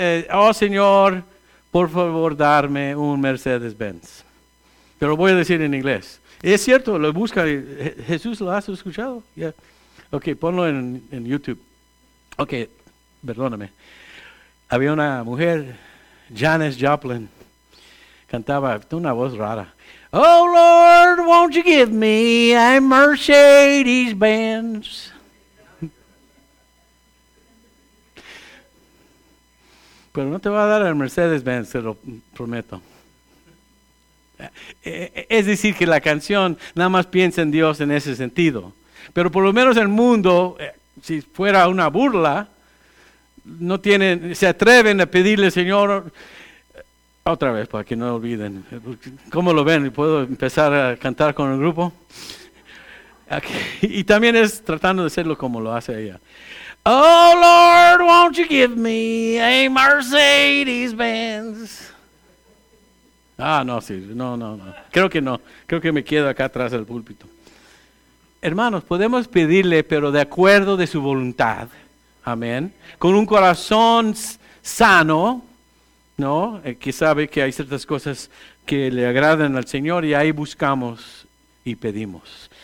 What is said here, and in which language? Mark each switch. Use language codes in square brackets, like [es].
[es] Oh Señor, por favor darme un Mercedes Benz, pero voy a decir en inglés. Es cierto, lo busca, Jesús lo ha escuchado. Yeah. Ok, ponlo en YouTube. Ok, perdóname. Había una mujer, Janis Joplin, Cantaba una voz rara. [en] Oh Lord, won't you give me a Mercedes Benz? [es] Pero no te voy a dar el Mercedes Benz, te lo prometo. Es decir, que la canción nada más piensa en Dios en ese sentido. Pero por lo menos el mundo, si fuera una burla, no tienen, se atreven a pedirle al Señor, otra vez para que no olviden. ¿Cómo lo ven? ¿Puedo empezar a cantar con el grupo? Okay. Y también es tratando de hacerlo como lo hace ella. [en] Oh Lord, won't you give me a Mercedes Benz? [es] Ah, no, sí, no, no, no. Creo que no, creo que me quedo acá atrás del púlpito. Hermanos, podemos pedirle, pero de acuerdo de su voluntad, amén, con un corazón sano, ¿no? Que sabe que hay ciertas cosas que le agradan al Señor y ahí buscamos y pedimos.